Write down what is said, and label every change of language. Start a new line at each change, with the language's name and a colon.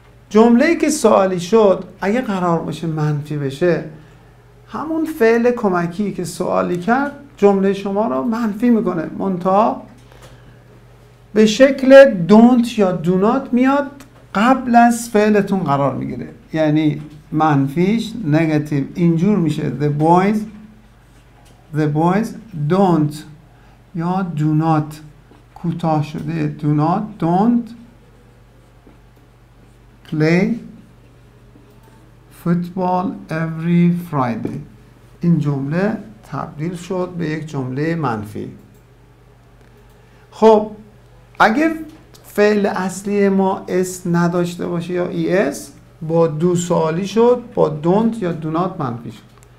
Persian: جمله‌ای که سوالی شد اگه قرار باشه منفی بشه، همون فعل کمکی که سوالی کرد جمله شما رو منفی میکنه، منتها به شکل don't یا do not میاد قبل از فعلتون قرار میگیره. یعنی منفیش نگاتیو اینجور میشه
English: the boys don't
Persian: یا
English: do not
Persian: کوتاه شده
English: do not don't play football every Friday.
Persian: این جمله تبدیل شد به یک جمله منفی. خب اگه فعل اصلی ما اس نداشته باشه یا ای اس، با دو سوالی شد، با don't یا do not منفی شد.